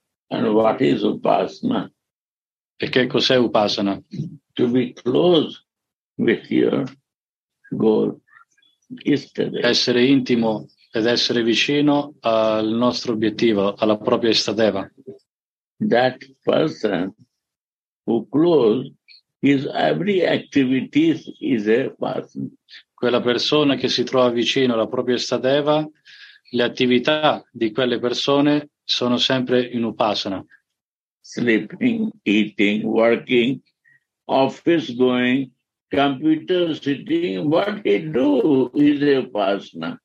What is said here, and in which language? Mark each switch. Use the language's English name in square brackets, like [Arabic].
[English] And what is upasana? [Italian] E che cos'è upasana? [English] To be close with your goal. [Italian] Essere intimo ed essere vicino al nostro obiettivo, alla propria istadeva. [English] That person who close his every activity is a person. [Italian] Quella persona che si trova vicino alla propria istadeva, le attività di quelle persone sono sempre in upasana. [English] Sleeping, eating, working, office going, computer sitting, what he do is a upasana.